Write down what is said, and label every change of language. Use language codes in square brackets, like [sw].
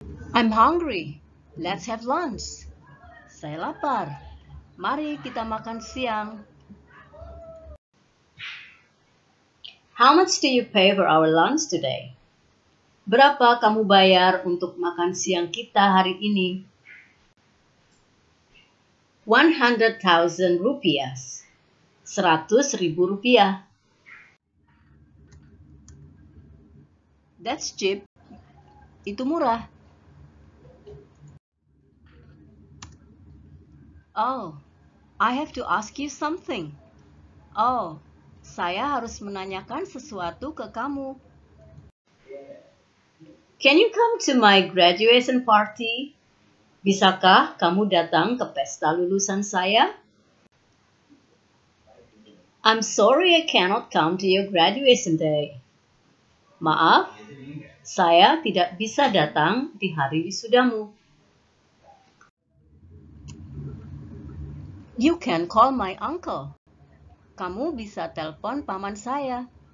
[en] I'm hungry. Let's have lunch. [id] Saya lapar. Mari kita makan siang. [en] How much do you pay for our lunch today? [id] Berapa kamu bayar untuk makan siang kita hari ini? [en] 100.000 rupiah. 100.000 rupiah. That's cheap. [id] Itu murah. [en] Oh, I have to ask you something. [id] Oh, saya harus menanyakan sesuatu ke kamu. [en] Can you come to my graduation party? [id] Bisakah kamu datang ke pesta lulusan saya? [en] I'm sorry I cannot come to your graduation day. [id] Maaf, saya tidak bisa datang di hari wisudamu. [en] You can call my uncle. [id] Kamu bisa telepon paman saya.